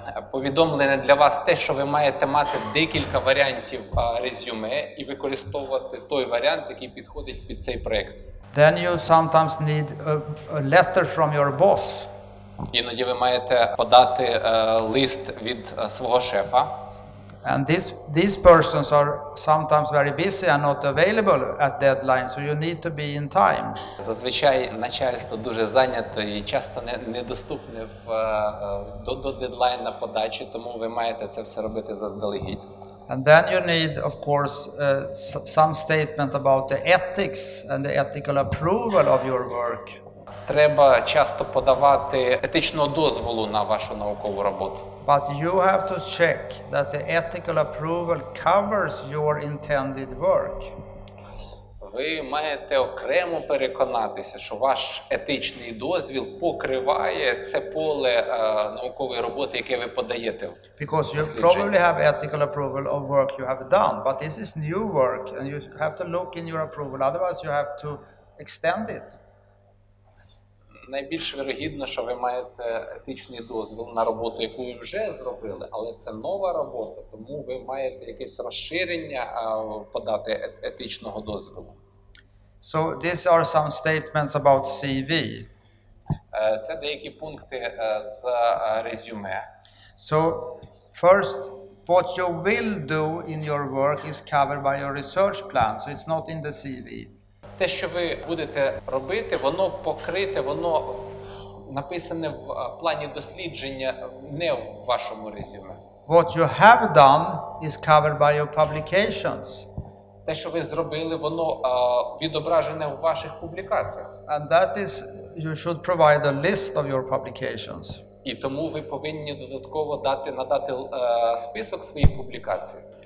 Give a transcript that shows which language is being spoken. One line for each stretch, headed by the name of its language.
Ukrainian: Повідомлення для вас те, що ви маєте мати декілька варіантів резюме і використовувати той варіант, який підходить під цей проект.
English: Then you sometimes need a letter from your boss.
Ukrainian: Іноді ви маєте подати лист від свого шефа.
English: And these persons are sometimes very busy and not available at deadline, so you need to be in time.
Ukrainian: Зазвичай начальство дуже зайнято і часто недоступне до дедлайну на подачі, тому ви маєте це все робити заздалегідь.
English: And then you need, of course, some statement about the ethics and the ethical approval of your work.
Ukrainian: Треба часто подавати етичну дозволу на вашу наукову роботу.
English: But you have to check that the ethical approval covers your intended work.
Ukrainian: Ви маєте окремо переконатися, що ваш етичний дозвіл покриває це поле наукової роботи, яке ви подаєте.
English: Because you probably have ethical approval of work you have done, but this is new work and you have to look in your approval, otherwise you have to extend it.
Ukrainian: Найбільш вірогідно, що ви маєте етичний дозвіл на роботу, яку ви вже зробили, але це нова робота, тому ви маєте якесь розширення подати етичного дозвілу.
English: So these are some statements about CV.
Ukrainian: Це деякі пункти з резюме.
English: So first, what you will do in your work is covered by your research plan, so it's not in the CV.
Ukrainian: Те, що ви будете робити, воно покрите, воно написане в плані дослідження, не в вашому резюме.
English: What you have done is covered by your publications.
Ukrainian: Те, що ви зробили, воно відображене в ваших публікаціях.
English: And that is, you should provide a list of your publications.
Ukrainian: І тому ви повинні додатково надати список своїх публікацій.